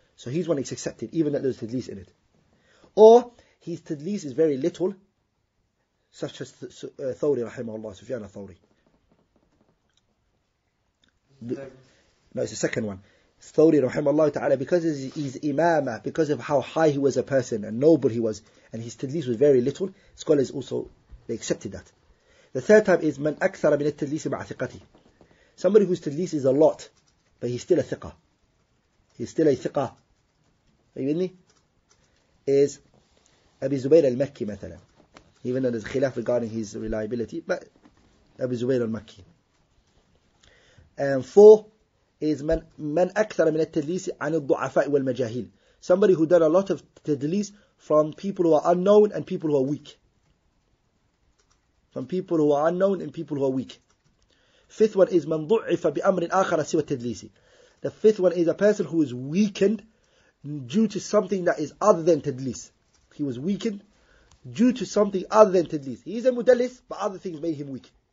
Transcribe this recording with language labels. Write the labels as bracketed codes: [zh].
[en] So he's one that's accepted, even that there's tadlis in it. Or his tadlis is very little, such as Thawri, rahimahullah, Sufyan al-Thawri. It's the second one. Thawri, rahimahullah ta'ala, because of his imamah, because of how high he was a person, and noble he was, and his tadlis was very little, scholars also, they accepted that. The third type is, [ar] من أكثر من التدليس مع ثقتي. [en] Somebody whose tadlis is a lot, but he's still a thiqah. He's still a thiqah. Are you with me? Is Abi Zubayr al-Makki, مثلاً. Even though there's khilaf regarding his reliability, but Abi Zubayr al-Makki. And four is [ar] من أكثر من التدليس عن الضعفاء والمجاهيل. [en] Somebody who done a lot of tadlis from people who are unknown and people who are weak. From people who are unknown and people who are weak. Fifth one is [ar] من ضعف بأمر آخر سوى التدليس. [en] The fifth one is a person who is weakened due to something that is other than tadlis. He was weakened due to something other than tadlis. He is a mudallis, but other things made him weak.